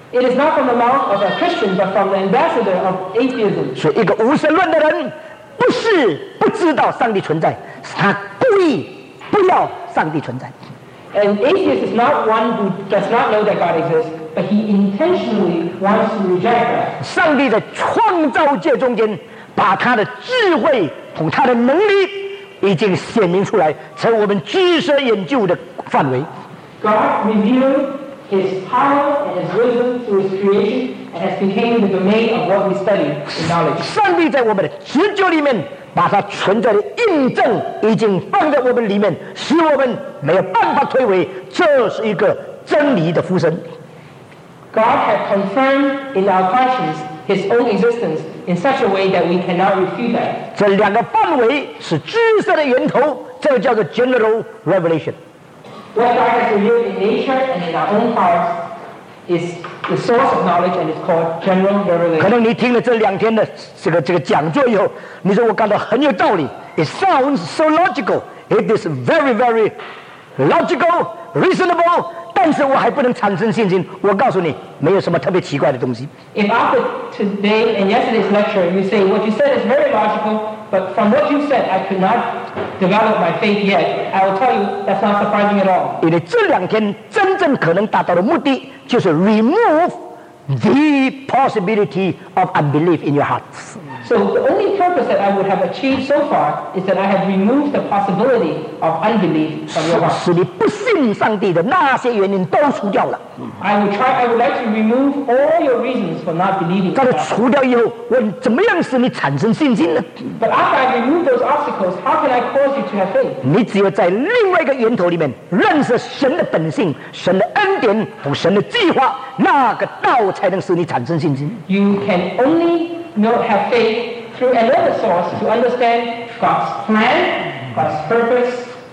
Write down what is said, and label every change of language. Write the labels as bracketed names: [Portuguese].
[English] It is not from the mouth of a Christian, but from the ambassador of atheism. [Chinese] 所以一个无神论的人 不是不知道上帝存在，是他故意不要上帝存在。 [English] An atheist is not one who does not know that God exists, but he intentionally wants to reject that. [Chinese] 上帝在创造界中间，把他的智慧和他的能力已经显明出来，成我们知识研究的范围。 [English] God revealed his power and his wisdom through his creation, and has become the domain of what we study in knowledge. [Chinese] 上帝在我们的直觉里面 把它存在的印证已经放在我们里面，使我们没有办法推诿，这是一个真理的附身。 [English] God has confirmed in our conscience his own existence in such a way that we cannot refute that. [Chinese] 这两个范围是知识的源头，这个叫做 general revelation. [English] What God has revealed in nature and in our own hearts is the source of knowledge, and it's called general revelation. [Chinese] 可能你听了这两天的这个讲座以后，你说我感到很有道理。 [English] It sounds so logical. It is very, very logical, reasonable. [Chinese] 但是我还不能产生信心。我告诉你，没有什么特别奇怪的东西。 [English] If after today and yesterday's lecture, you say what you said is very logical, but from what you said, I could not develop my faith yet. I will tell you that's not surprising at all. [Chinese] 因为这两天真的正可能达到的目的就是 [English] remove the possibility of unbelief in your hearts. So the only purpose that I would have achieved so far is that I have removed the possibility of unbelief from your heart. [Chinese] 使你不信上帝的那些原因都除掉了。 [English] I would like to remove all your reasons for not believing. [Chinese] 但是除掉以后，我怎么样使你产生信心呢？ [English] But after I remove those obstacles, how can I cause you to have faith? [Chinese] 你只有在另外一个源头里面认识神的本性、神的恩典和神的计划，那个道才能使你产生信心。 [English] You can only not have faith through another source to understand God's plan, God's purpose.